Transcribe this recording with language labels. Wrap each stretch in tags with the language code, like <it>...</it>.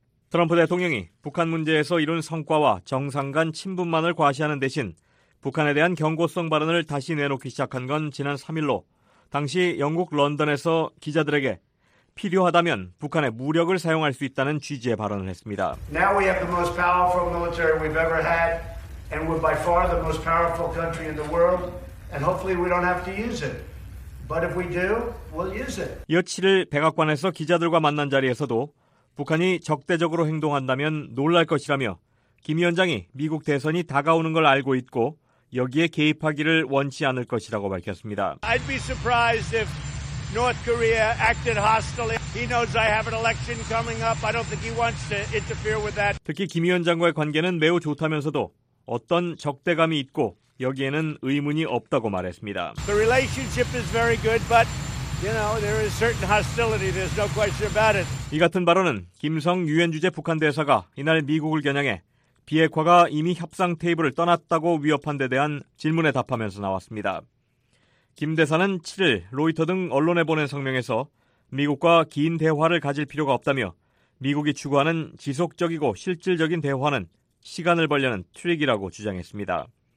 <ko>트럼프 대통령이 북한 문제에서 이룬 성과와 정상 간 친분만을 과시하는 대신 북한에 대한 경고성 발언을 다시 내놓기 시작한 건 지난 3일로 당시 영국 런던에서 기자들에게 필요하다면 북한의 무력을 사용할 수 있다는 취지의 발언을 했습니다.</ko> <en>Now we have the most powerful military we've ever had and we're by far the most powerful country in the world and hopefully we don't have to use it. But if we do, we'll use it.</en> <ko>이어 7일 백악관에서 기자들과 만난 자리에서도 북한이 적대적으로 행동한다면 놀랄 것이라며 김 위원장이 미국 대선이 다가오는 걸 알고 있고 여기에 개입하기를 원치 않을 것이라고 밝혔습니다.</ko> <en>I'd be surprised if North Korea acted hostily. He knows I have an election coming up. I don't think he wants to interfere with that.</en> <ko>특히 김 위원장과의 관계는 매우 좋다면서도 어떤 적대감이 있고 여기에는 의문이 없다고 말했습니다.</ko> <en>The relationship is very good, but you know there is certain hostility. There's no question about it.</en> <ko>이 같은 발언은 김성 유엔 주재 북한 대사가 이날 미국을 겨냥해 비핵화가 이미 협상 테이블을 떠났다고 위협한 데 대한 질문에 답하면서 나왔습니다. 김 대사는 7일 로이터 등 언론에 보낸 성명에서 미국과 긴 대화를 가질 필요가 없다며 미국이 추구하는 지속적이고 실질적인 대화는 시간을 벌려는 트릭이라고 주장했습니다.</ko>